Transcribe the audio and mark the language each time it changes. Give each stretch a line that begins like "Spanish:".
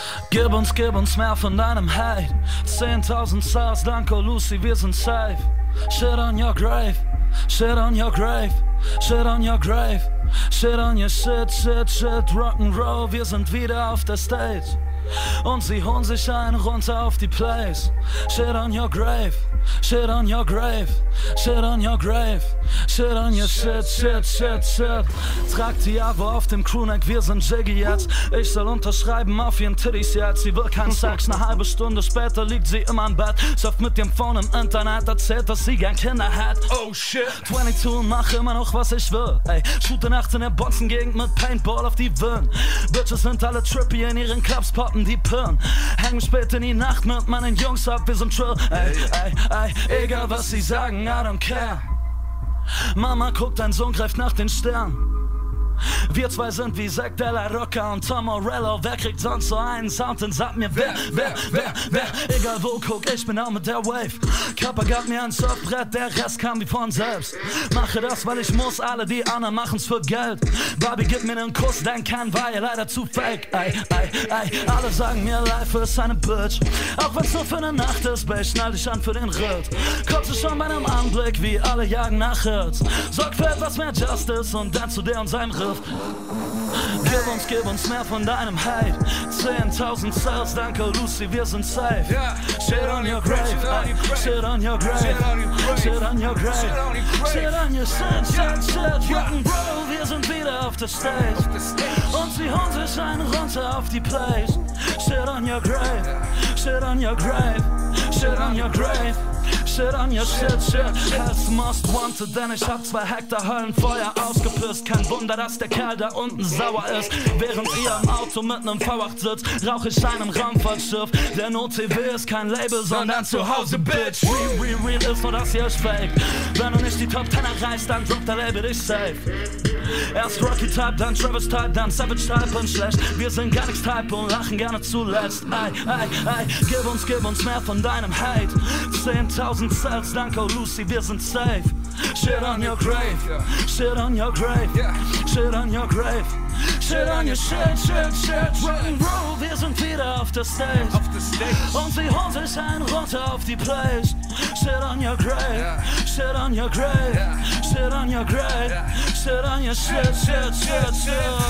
German: Gib uns mehr von deinem Hype. 10.000 Stars, danke Lucy, wir sind safe.
English: Shit on your grave. Shit on your grave. Shit on your grave. Shit on your shit, shit, shit.
German: Rock'n'Roll, wir sind wieder auf der Stage. Und sie holen sich einen runter auf die Place.
English: Shit on your grave. Shit on your grave. Shit on your grave. Shit on your shit, shit, shit, shit.
German: Trag die Avo auf dem Crewneck, wir sind Jiggy jetzt. Ich soll unterschreiben auf ihren Titties jetzt. Sie will keinen Sex, eine halbe Stunde später liegt sie immer im Bett. Surft mit dem Phone im Internet, erzählt, dass sie gern Kinder hat.
English: Oh shit.
German: 22 und mach immer noch, was ich will. Ey, shoot nachts in der Bonzengegend mit Paintball auf die Wind. Bitches sind alle trippy, in ihren Clubs poppen die Pirn. Häng spät in die Nacht mit meinen Jungs ab, wir sind trill. Ey, ey, ey, egal was sie sagen,
English: I don't care.
German: Mama guckt, dein Sohn greift nach den Stern. Wir zwei sind wie Zack Della Rocca und Tom Morello. Wer kriegt sonst so einen Sound und sagt mir, wer? Egal wo guck, ich bin auch mit der Wave. Körper gab mir ein Surfbrett, der Rest kam wie von selbst. Mache das, weil ich muss, alle die anderen machen's für Geld. Barbie gibt mir nen Kuss, denn kein war ja leider zu fake. Ey, ey, ey, alle sagen mir, life ist eine Bitch. Auch was nur für ne Nacht ist, Bae, schnall dich an für den Ritt. Kotze schon bei nem Anblick, wie alle jagen nach Hits. Sorg für etwas mehr Justice und dann zu dir und seinem Ritt. Gib uns mehr von deinem Hype. 10.000 Stars, danke Lucy, wir sind safe.
English: Shit on your grave, shit on your grave, shit on your grave, shit on your shit, shit, shit.
German: Rock'n'Roll, wir sind wieder auf der Stage. Und sie holen sich einen runter auf die Place.
English: Shit on your grave, shit on your grave, shit on your grave. Shit on your shit, shit.
German: Hell's most wanted, denn ich hab 2 Hektar Höllenfeuer ausgepisst. Kein Wunder, dass der Kerl da unten sauer ist. Während ihr im Auto mit nem V8 sitzt, rauch ich einem Raumfahrtschiff. Denn OTW ist kein Label, sondern zu Hause, Bitch. Real ist nur, dass ihr euch fake. Wenn du nicht die Top 10 erreichst, dann droppt der Label dich safe. Erst Rocky Type, dann Travis Type, dann Savage Type und schlecht. Wir sind gar nix Type und lachen gerne zuletzt. Ey, ey, ey, gib uns mehr von deinem Hate. 10.000 Cells, danke Lucy, wir sind safe.
English: Shit on your grave, shit on your grave, shit on your grave, shit on your shit, shit, shit.
German: Rock'n'Roll, wir sind wieder auf der Stage. Und sie holen sich einen runter auf die Place.
English: Shit on your grave, shit on your grave, shit on your grave, shit on your shit, shit, shit, shit.